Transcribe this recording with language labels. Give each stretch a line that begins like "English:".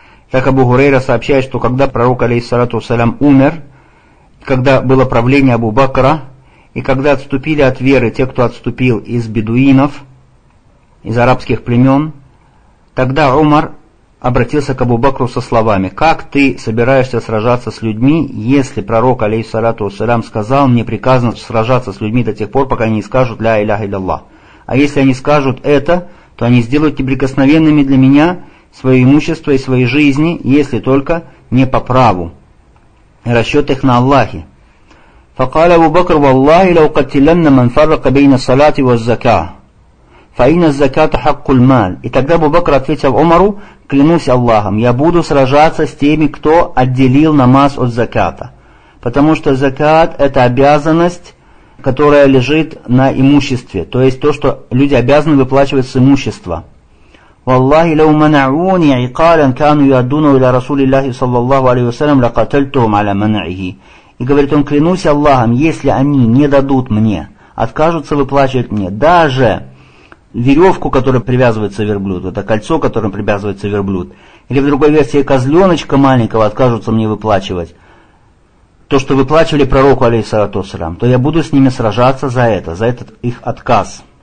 Russian: Так Абу Хурейра сообщает, что когда пророк алейхиссалату вассалям умер, когда было правление Абу Бакра, и когда отступили от веры те, кто отступил из бедуинов, из арабских племен, тогда Умар обратился к Абу Бакру со словами: «Как ты собираешься сражаться с людьми, если пророк, алейхиссалату вассалям, сказал, мне приказано сражаться с людьми до тех пор, пока они не скажут «Ля иляха илляллах». А если они скажут это, то они сделают неприкосновенными для меня свое имущество и свои жизни, если только не по праву. Расчет их на Аллахе».
Arabic: فقال أبو بكر والله لو قتلنا من فرق بين الصلاة والزكاة فإن الزكاة حق المال.
Russian: И тогда Абу Бакр ответил Умару: клянусь Аллахом, я буду сражаться с теми, кто отделил намаз от заката, потому что закат — это обязанность, которая лежит на имуществе, то есть то, что люди обязаны выплачивать с имущества.
Arabic: والله لو منعوني عقالا كانوا يعدونه إلى رسول الله صلى الله عليه وسلم لقتلتهم على منعه.
Russian: И говорит он: клянусь Аллахом, если они не дадут мне, откажутся выплачивать мне даже веревку, которая привязывается верблюд, это кольцо, которым привязывается верблюд, или в другой версии козленочка маленького, откажутся мне выплачивать то, что выплачивали пророку, алейхиссалату вассалям, то я буду с ними сражаться за это, за этот их отказ.